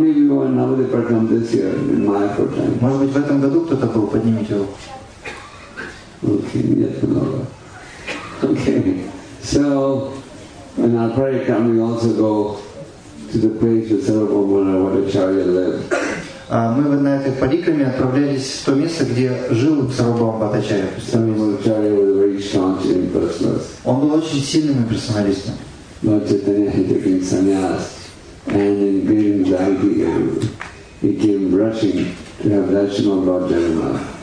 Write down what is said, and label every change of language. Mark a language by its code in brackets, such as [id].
[ru] Может быть, в этом году кто-то был? Поднимите руку. [en] Okay. So, in our Parikram we also go to the place where Sarvabhaumadacharya lived. [ru] Мы на этой парикраме отправлялись в то место, где жил Сарвабхаумадачарья. [en] Sarvabhaumadacharya was a very strong impersonalist. [ru] Он был очень сильным имперсоналистом. [en] Lord Chaitanya had taken sannyas, and in great anxiety, he came rushing to have darshan of Lord Jagannath.